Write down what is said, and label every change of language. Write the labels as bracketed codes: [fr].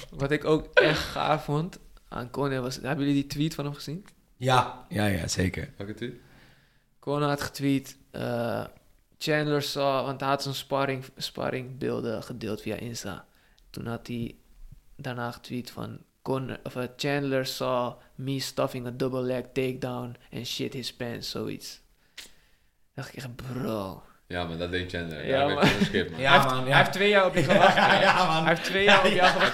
[nl] Wat ik ook echt gaaf vond aan Conor was... Hebben jullie die tweet van hem gezien? Ja, zeker. Welke tweet? Conor had getweet... [en] Chandler saw... [nl] Want hij had zijn sparring beelden gedeeld via Insta. Toen had hij daarna getweet van... [en] Chandler saw me stuffing a double leg takedown and shit his pants, [nl] zoiets. Dan dacht ik echt, bro. Ja, maar dat deed Chandler. Ja, man. Skip, man. Ja, man. Hij heeft 2 jaar op je gewacht. Ja, man. Hij heeft 2 jaar op je gewacht.